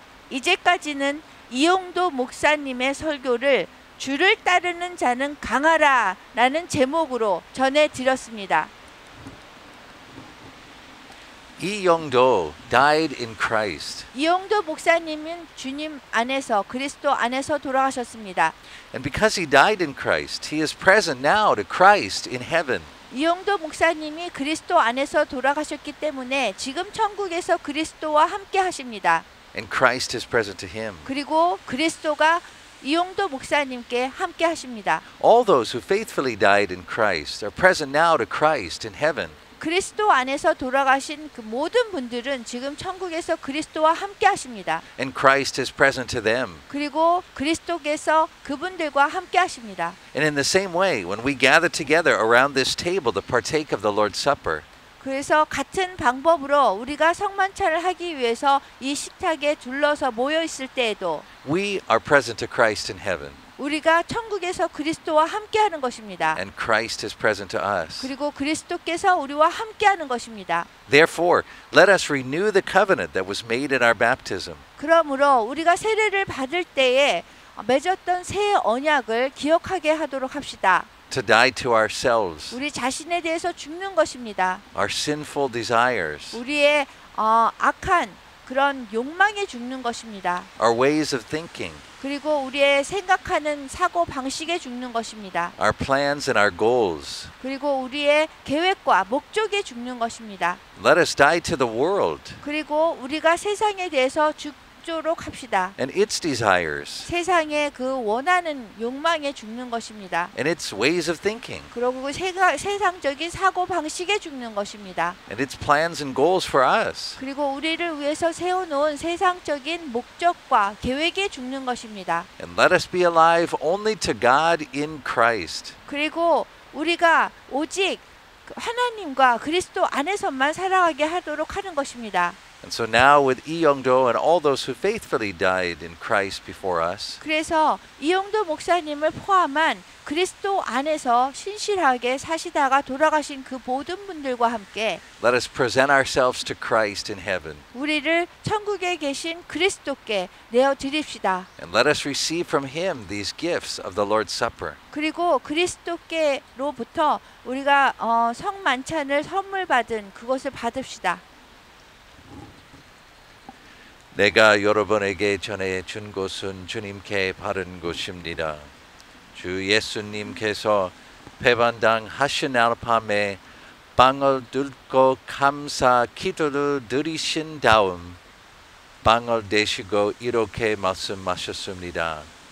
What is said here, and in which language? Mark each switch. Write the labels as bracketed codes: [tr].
[ko] 이제까지는 이용도 목사님의 설교를 주를 따르는 자는 강하라 라는 제목으로 전해드렸습니다. [en] 이용도 died in Christ. [ko] 이용도 목사님은 주님 안에서 그리스도 안에서 돌아가셨습니다. [en] And because he died in Christ, he is present now to Christ in heaven. [ko] 이용도 목사님이 그리스도 안에서 돌아가셨기 때문에 지금 천국에서 그리스도와 함께 하십니다. [en] And Christ is present to him. [ko] 그리고 그리스도가 이용도 목사님께 함께 하십니다. [en] All those who faithfully died in Christ are present now to Christ in heaven. [ko] 그리스도 안에서 돌아가신 그 모든 분들은 지금 천국에서 그리스도와 함께 하십니다. [en] And Christ is present to them. [ko] 그리고 그리스도께서 그분들과 함께 하십니다. [en] And in the same way, when we gather together around this table to partake of the Lord's Supper. [ko] 그래서 같은 방법으로 우리가 성만찬을 하기 위해서 이 식탁에 둘러서 모여 있을 때에도 [en] We are present to Christ in heaven. [ko] 우리가 천국에서 그리스도와 함께하는 것입니다. [en] And Christ is present to us. [ko] 그리고 그리스도께서 우리와 함께하는 것입니다. [en] Therefore, let us renew the covenant that was made in our baptism. [ko] 그러므로 우리가 세례를 받을 때에 맺었던 새 언약을 기억하게 하도록 합시다. [en] To die to ourselves. [ko] 우리 자신에 대해서 죽는 것입니다. [en] Our sinful desires. [ko] 우리의 악한 그런 욕망에 죽는 것입니다. [en] Our ways of thinking. [ko] 그리고 우리의 생각하는 사고 방식에 죽는 것입니다. [en] Our plans and our goals. [ko] 그리고 우리의 계획과 목적에 죽는 것입니다. [en] Let us die to the world. [ko] 그리고 우리가 세상에 대해서 죽도록 합시다. [en] And its desires. [ko] 세상의 그 원하는 욕망에 죽는 것입니다. [en] And its ways of thinking. [ko] 그리고 세상적인 사고 방식에 죽는 것입니다. [en] And its plans and goals for us. [ko] 그리고 우리를 위해서 세워놓은 세상적인 목적과 계획에 죽는 것입니다. [en] And let us be alive only to God in Christ. [ko] 그리고 우리가 오직 하나님과 그리스도 안에서만 살아가게 하도록 하는 것입니다. [en] And so now with Lee Young-do and all those who faithfully died in Christ before us. [ko] 그래서 이용도 목사님을 포함한 그리스도 안에서 신실하게 사시다가 돌아가신 그 모든 분들과 함께 [en] Let us present ourselves to Christ in heaven. [ko] 우리를 천국에 계신 그리스도께 내어 드립시다. [en] And let us receive from him these gifts of the Lord's Supper. [ko] 그리고 그리스도께로부터 우리가 성만찬을 선물 받은 그것을 받읍시다. 내가 여러분에게 전해준 곳은 주님께 바른 곳입니다. 주 예수님께서 배반당 하신 날 밤에 빵을 뚫고 감사 기도를 드리신 다음 빵을 대시고 이렇게 말씀하셨습니다.